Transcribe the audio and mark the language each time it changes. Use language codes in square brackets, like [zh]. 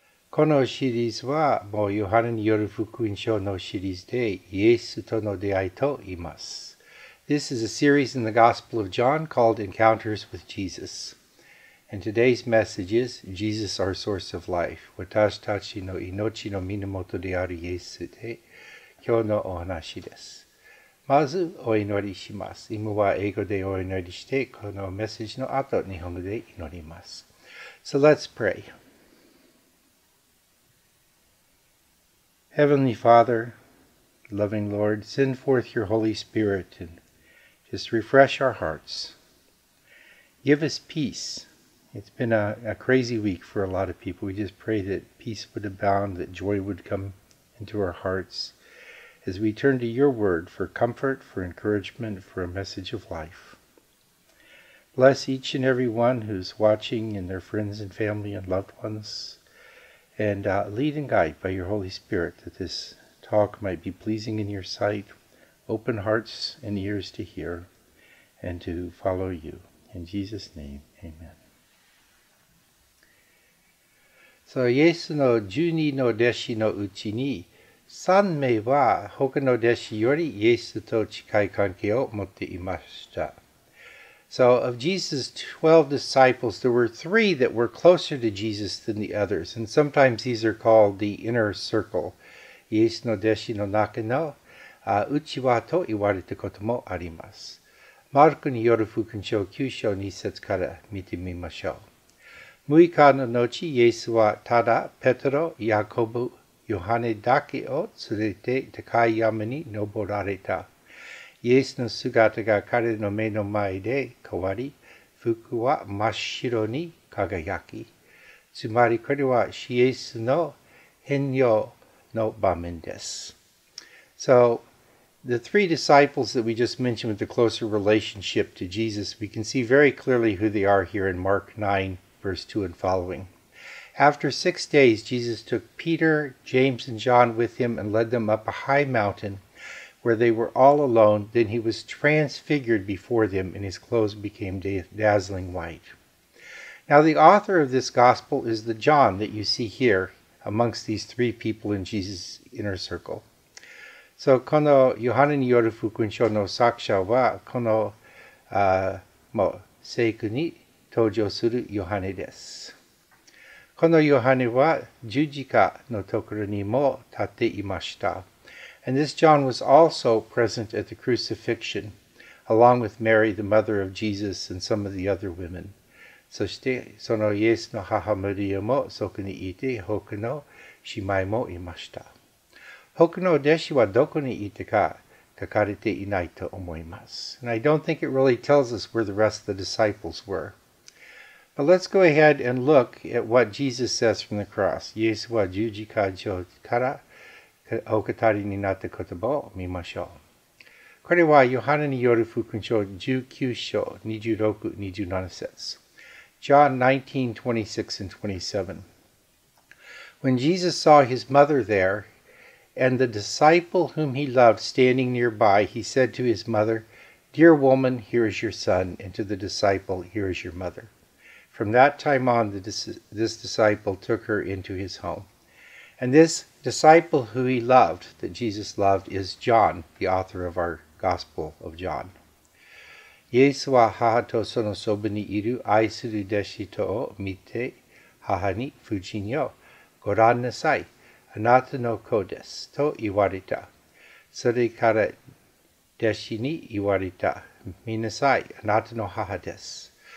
[ja] このシリーズはもうヨハネによる福音書のシリーズでイエスとの出会いと言います。 [en] This is a series in the Gospel of John called Encounters with Jesus. And today's message is Jesus our source of life. [ja] 私たちの命の源であるイエスで今日のお話です。まずお祈りします。今は英語でお祈りしてこのメッセージの後日本語で祈ります。 [en] So let's pray. Heavenly Father, loving Lord, send forth your Holy Spirit and just refresh our hearts. Give us peace. It's been a crazy week for a lot of people. We just pray that peace would abound, that joy would come into our hearts as we turn to your word for comfort, for encouragement, for a message of life. Bless each and every one who's watching and their friends and family and loved ones. And lead and guide by your Holy Spirit that this talk might be pleasing in your sight. Open hearts and ears to hear and to follow you. In Jesus' name, amen. [ja] So, イエスの12の弟子のうちに3名は他の弟子よりイエスと近い関係を持っていました。 [en] So, of Jesus' 12 disciples, there were 3 that were closer to Jesus than the others. And sometimes these are called the inner circle. [ja] イエスの弟子の中の内輪と言われたこともあります。マルコによる福音書9章2節から見てみましょう。 6日の後、イエスはただ、ペトロ、ヤコブ、ヨハネだけを連れて高い山に登られた。イエスの姿が彼の目の前で変わり、服は真っ白に輝き。つまり、これはイエスの変容の場面です。 [en] So, the 3 disciples that we just mentioned with the closer relationship to Jesus, we can see very clearly who they are here in Mark 9, verse 2 and following. After 6 days, Jesus took Peter, James, and John with him and led them up a high mountain. Where they were all alone, then he was transfigured before them, and his clothes became dazzling white. Now the author of this gospel is the John that you see here amongst these 3 people in Jesus' inner circle. [ja] So, このヨハネによる福音書の作者は、この聖句に登場するヨハネです。このヨハネは十字架のところにも立っていました。 [en] And this John was also present at the crucifixion, along with Mary, the mother of Jesus, and some of the other women. [ja] そして、そのイエスの母マリアも、そこにいて、他の姉妹もいました。他の弟子はどこにいたか、書かれていないと思います。 [en] And I don't think it really tells us where the rest of the disciples were. But let's go ahead and look at what Jesus says from the cross. [ja] イエスは十字架上から、お語りになった言葉を見ましょう。これはヨハネによる福音書19章26、27節。 [en] John 19, 26 and 27. When Jesus saw his mother there, and the disciple whom he loved standing nearby, he said to his mother, Dear woman, here is your son, and to the disciple, here is your mother. From that time on, this disciple took her into his home. And this disciple who he loved, that Jesus loved, is John, the author of our Gospel of John. [ja] イエスは母とそのそばにいる愛する弟子とを見て、母に夫人よ、ご覧なさい、あなたの子です、と言われた。それから弟子に言われた、見なさい、あなたの母です。